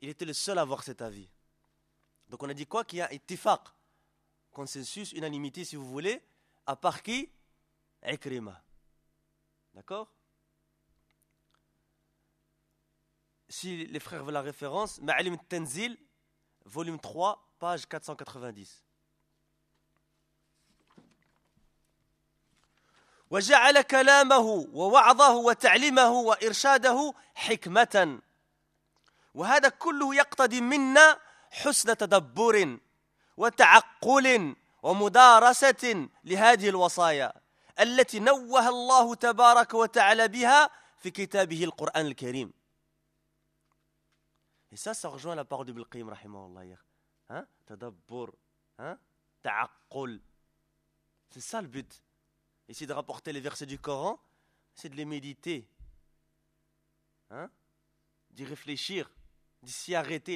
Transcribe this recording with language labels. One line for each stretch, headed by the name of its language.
French: Il était le seul à avoir cet avis. Donc on a dit quoi ? Qu'il y a ittifaq, consensus, unanimité si vous voulez, à part qui ? Ikrima. D'accord ? Si les frères veulent la référence, Ma'alim Tanzil, volume 3, page 490.
Arabic: وَجَعَلَ كَلَامَهُ وَوَعَظَهُ وَتَعْلِمَهُ وَإِرْشَادَهُ حِكْمَةً وهذا كله يقتضي منا حسن تدبر وتعقل ومدارسة لهذه الوصايا التي نوه الله تبارك وتعالى بها في كتابه القرآن الكريم.
French: Et ça rejoint la parole de Bilqim, rahimahullah, hier. Hein? Tadabbur, hein? Ta'aqqul. C'est ça le but. Ici de rapporter les versets du Coran, c'est de les méditer. Hein? D'y réfléchir. De s'y arrêter.